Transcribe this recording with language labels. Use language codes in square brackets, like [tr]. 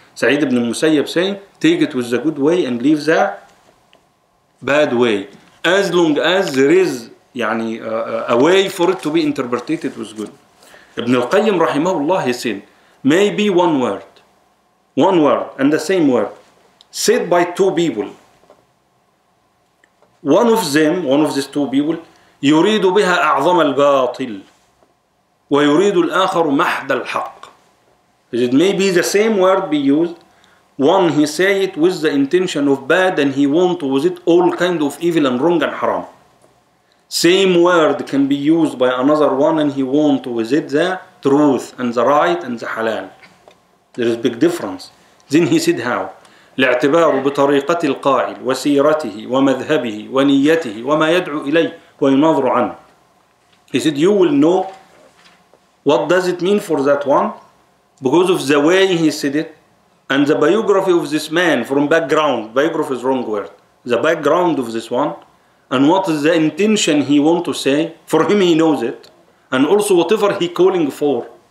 [en] Sa'id ibn Musayyab saying, take it with the good way and leave the bad way. As long as there is a way for it to be interpreted with good. Ibn al-Qayyim rahimahullah, he said, maybe one word and the same word said by two people. One of them, one of these two people, [ar] يريد بها أعظم الباطل ويريد الآخر محد الحق. [en] Is it maybe the same word be used? One, he say it with the intention of bad and he want with it all kind of evil and wrong and haram. Same word can be used by another one and he want with it the truth and the right and the halal. There is big difference. Then he said how? [ar] الاعتبار بطريقة القائل وسيرته ومذهبه ونيته وما يدعو إليه وينظر عنه. [en] He said, you will know what does it mean for that one because of the way he said it and the biography of this man from background. Biography is wrong word. The background of this one and what is the intention he want to say. For him, he knows it. And also whatever he calling for.